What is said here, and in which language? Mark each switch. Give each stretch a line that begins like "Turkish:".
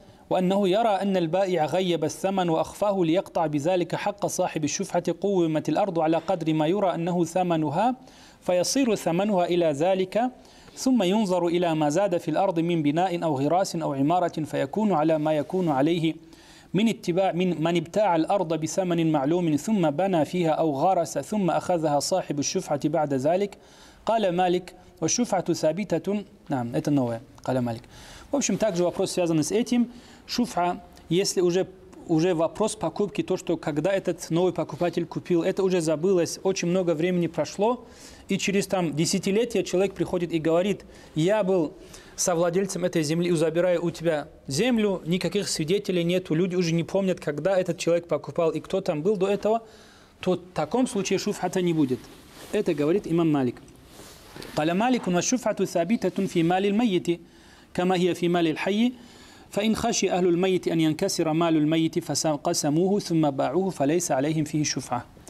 Arabic: وأنه يرى أن البائع غيب الثمن وأخفاه ليقطع بذلك حق صاحب الشفعة قومت الأرض على قدر ما يرى أنه ثمنها فيصير ثمنها إلى ذلك ثم ينظر إلى ما زاد في الأرض من بناء أو غراس أو عمارة فيكون على ما يكون عليه من اتباع من من ابتاع الأرض بثمن معلوم ثم بنى فيها أو غرس ثم أخذها صاحب الشفعة بعد ذلك قال مالك والشفعة ثابتة نعم
Russian: это новое
Arabic: قال مالك.
Russian: В общем, также вопрос связан с этим. Шуфа, если уже вопрос покупки, то, что когда этот новый покупатель купил, это уже забылось, очень много времени прошло, и через там десятилетия человек приходит и говорит, я был совладельцем этой земли, забираю у тебя землю, никаких свидетелей нету, люди уже не помнят, когда этот человек покупал и кто там был до этого, то в таком случае шуфа-то не будет. Это говорит имам Малик.
Arabic: قال مالك والشفعة ثابتة في مال الميت كما هي في مال الحي فإن خشي أهل الميت أن ينكسر مال الميت فقسموه ثم باعوه فليس عليهم فيه شفعة.